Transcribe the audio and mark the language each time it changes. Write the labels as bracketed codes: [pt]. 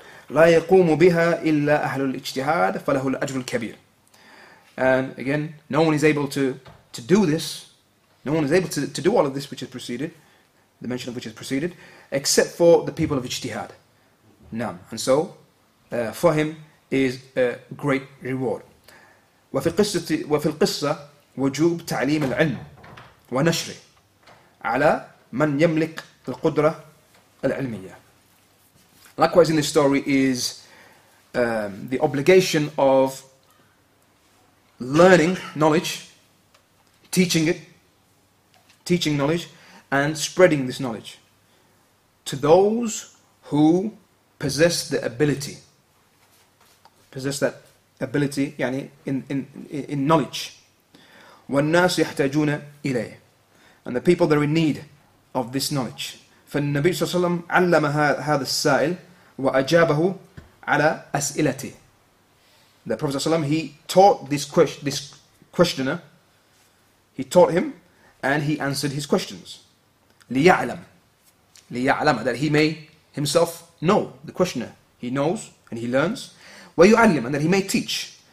[ar] لا يقوم بها إلا أهل الاجتهاد فله الأجر الكبير. [en] And again, no one is able to do this. No one is able to do all of this which has preceded, the mention of which has preceded, except for the people of ijtihad. Naam. And so, for him is a great reward. [ar] وفي القصة وجوب تعليم العلم ونشره على من يملك القدرة العلمية. [en] Likewise, in this story is the obligation of learning knowledge, teaching it, teaching knowledge, and spreading this knowledge to those who possess the ability, possess that ability, yani in knowledge. [ar] والناس يحتاجون إليه, [en] and the people that are in need of this knowledge. [ar] فالنبي صلى الله عليه وسلم علم هذا السائل وأجابه على أسئلته. [en] The Prophet ﷺ, he taught this questioner, he taught him, and he answered his questions. لِيَعْلَمَ, that he may himself know, the questioner. He knows and he learns. وَيُعَلِّمَ, and that he may teach.